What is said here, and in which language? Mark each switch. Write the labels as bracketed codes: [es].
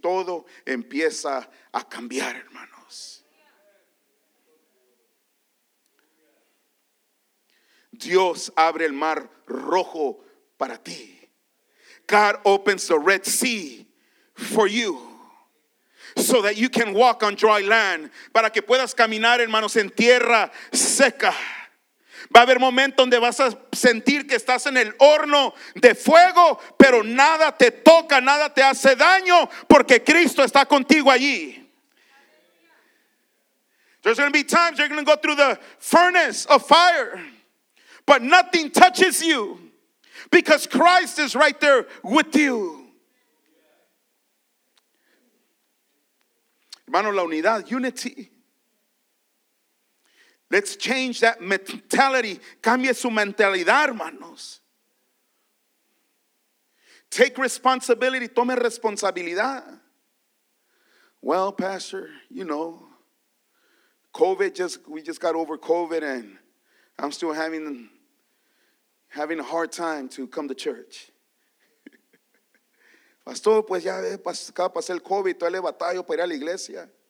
[es] Todo empieza a cambiar, hermanos. Dios abre el mar rojo para ti. [en] God opens the Red Sea for you. So that you can walk on dry land. [es] Para que puedas caminar, hermanos, en tierra seca. Va a haber momentos donde vas a sentir que estás en el horno de fuego, pero nada te toca, nada te hace daño, porque Cristo está contigo allí. [en] There's going to be times you're going to go through the furnace of fire, but nothing touches you because Christ is right there with you. [es] Hermano, la unidad, [en] unity. Let's change that mentality. [es] Cambie su mentalidad, hermanos. [en] Take responsibility. [es] Tome responsabilidad. [en] Well, Pastor, you know, COVID, we just got over COVID and I'm still having a hard time to come to church. [es] Pastor, pues ya pasé el COVID, todavía le batallo para ir a la iglesia.